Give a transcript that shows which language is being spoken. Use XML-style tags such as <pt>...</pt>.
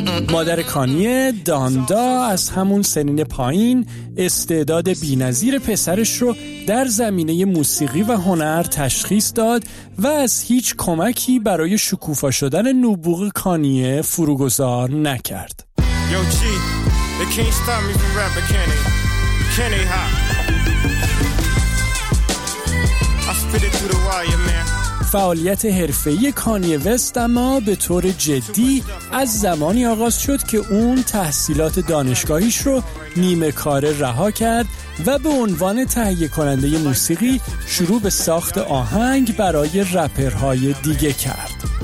<fa>مادر کانیه، داندا، از همون سنین پایین استعداد بی‌نظیر پسرش رو در زمینه موسیقی و هنر تشخیص داد و از هیچ کمکی برای شکوفا شدن نبوغ کانیه فروگذار نکرد.</fa> <en>Yo, G, they can't stop me from rapping, can they? Can they hop? I spit it through the wire, man.</en> <fa>فعالیت حرفه‌ای کانیه وست اما به طور جدی از زمانی آغاز شد که اون تحصیلات دانشگاهیش رو نیمه کار رها کرد و به عنوان تهیه کننده موسیقی شروع به ساخت آهنگ برای رپرهای دیگه کرد.</fa>